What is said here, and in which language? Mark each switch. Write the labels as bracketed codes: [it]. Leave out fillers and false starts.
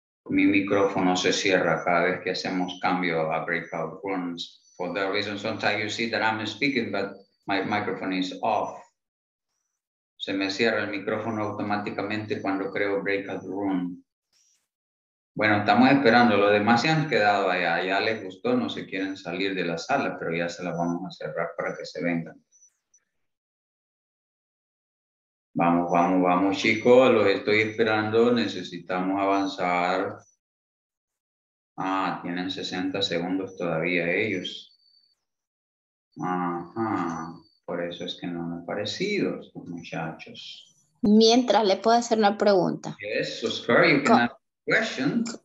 [es] Mi micrófono se cierra cada vez que hacemos cambio a breakout rooms. [en] For that reason, sometimes you see that I'm speaking, but my microphone is off. [es] Se me cierra el micrófono automáticamente cuando creo breakout room. Bueno, estamos esperando. Los demás se han quedado allá. Ya les gustó, no se quieren salir de la sala, pero ya se la vamos a cerrar para que se vengan. Vamos, chicos, los estoy esperando, necesitamos avanzar. Ah, tienen 60 segundos todavía ellos. Ajá, por eso es que no me han parecido, muchachos. Mientras, le puedo hacer una pregunta. [en] Yes, so sorry, you can ask a question.